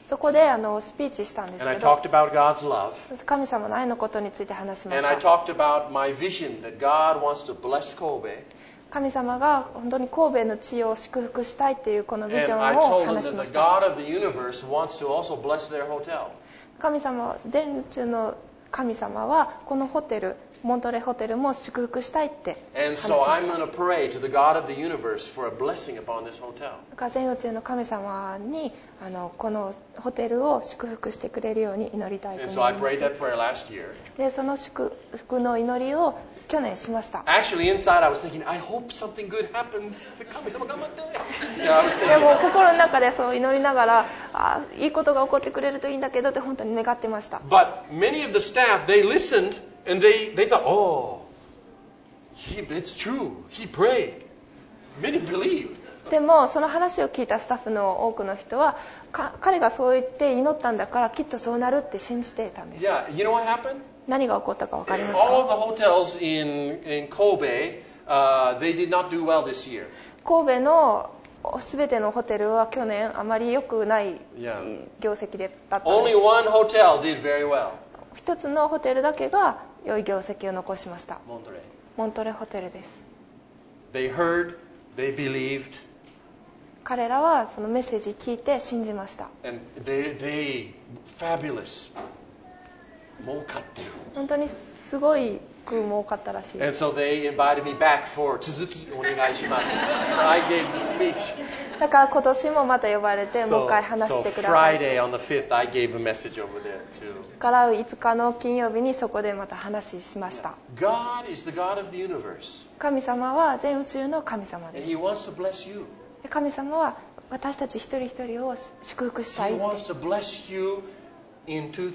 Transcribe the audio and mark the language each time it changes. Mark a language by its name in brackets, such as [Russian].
[Japanese] そこであのスピーチしたんですけど。 [English] And I talked about God's love. [Japanese] 神様の愛のことについて話しました。 [English] And I talked about my vision that God wants to bless Kobe. [Japanese] 神様が本当に神戸の地を祝福したいというこのビジョンを話しました。 [English] God of the universe wants to also bless their hotel. [Japanese] 神様、全宇宙の神様はこのホテル、モントレーホテルも祝福したいって話しました。 [English] And so I'm going to pray to the God of the universe for a blessing upon this hotel. [Japanese] 全宇宙の神様にあのこのホテルを祝福してくれるように祈りたいと思います。で、その祝福の祈りを去年しました。 [English] Actually, inside I was thinking, I hope something good happens. [Japanese] 神様頑張って。でも心の中でそう祈りながら、いいことが起こってくれるといいんだけどって本当に願ってました。 [English] But many of the staff, they listened and they thought, oh, it's true. He prayed. Many believed. [Japanese] でもその話を聞いたスタッフの多くの人は彼がそう言って祈ったんだからきっとそうなるって信じていたんです。 [English] Yeah, you know what happened? [Japanese] 何が起こったか分かりますか? [English] All of the hotels in Kobe, they did not do well this year. [Japanese] 神戸のすべてのホテルは去年あまり良くない業績だったんです。 [English] Only one hotel did very well. [Japanese] 一つのホテルだけが良い業績を残しました。モントレ。モントレホテルです。 [English] They heard, they believed. [Japanese] 彼らはそのメッセージ聞いて信じました。 [English] And they fabulous. [Japanese] 儲かってる。本当にすごい。儲かったらしい。 [English] And so they invited me back for [Japanese] 続きお願いします。 [English] I gave the speech. [Japanese] だから今年もまた呼ばれてもう一回話してください。 [English] So Friday on the 5th, I gave a message over there too. [Japanese] から5日の金曜日にそこでまた話しました。 [English] God is the God of the universe. [Japanese] 神様は全宇宙の神様です。 [English] And he wants to bless you. [Japanese] 神様は私たち一人一人を祝福したい。 [English] He wants to bless you in